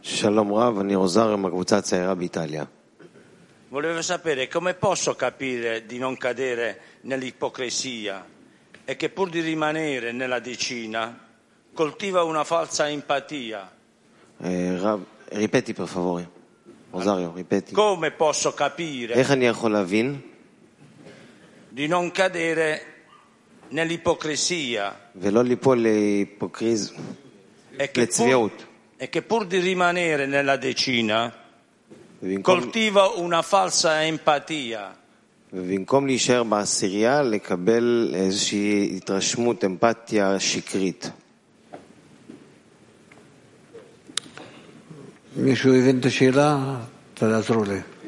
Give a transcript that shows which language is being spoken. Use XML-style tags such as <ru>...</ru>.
<he>Shalom Rav, אני רוסריו מהקבוצה הצעירה באיטליה.</he> <it>Volevo sapere come posso capire di non cadere nell'ipocrisia e che pur di rimanere nella decina coltiva una falsa empatia. Rav, ripeti per favore. Rosario, ripeti. Come posso capire?</it> <he>איך אני יכול להבין?</he> <it>Di non cadere nell'ipocrisia.</it> <he>ולא ליפול להיפוקריזם. לצביעות.</he> <it>E che pur di rimanere nella decina coltiva una falsa empatia.</it> <he>ובמקום להישאר בעשירייה, לקבל איזושהי התרשמות, אמפתיה שקרית. מישהו הבין את השאלה? תעזרו לי.</he>